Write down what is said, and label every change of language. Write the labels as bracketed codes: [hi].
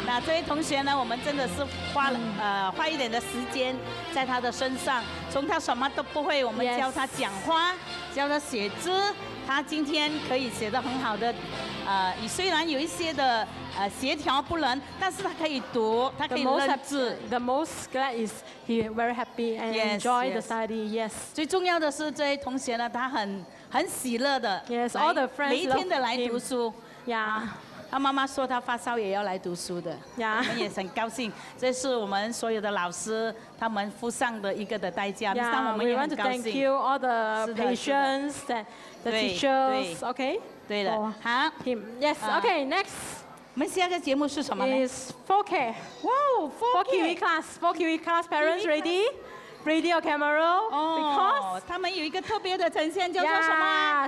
[zh] 那这位同学呢，我们真的是花了花一点的时间在他的身上，从他什么都不会，我们教他讲话，教他写字，他今天可以写得很好的，虽然有一些的协调不能，但是他可以读，他可以认字。 [en] The most glad is he very happy and enjoy the study. Yes. [zh] 最重要的是这位同学呢，他很喜乐的。 [en] Yes. All the friends love him. [zh] 每天的来读书。 [en] Yeah. [zh] 他妈妈说他发烧也要来读书的、 [en] yeah. [zh] 我们也很高兴，这是我们所有的老师他们付上的一个的代价、 [en] yeah. [zh] 但我们也很高兴。 [en] We want to thank you all the patients and the teachers. Okay. [zh] 对的、 [en] oh. 好 him. Yes. Okay. Next. [zh] 我们下一个节目是什么呢？ [en] It's 4K. Wow. 4K. 4 Kiwi class. 4 Kiwi class. Parents ready? Radio camera. Oh. Because [zh] 他们有一个特别的呈现叫做什么、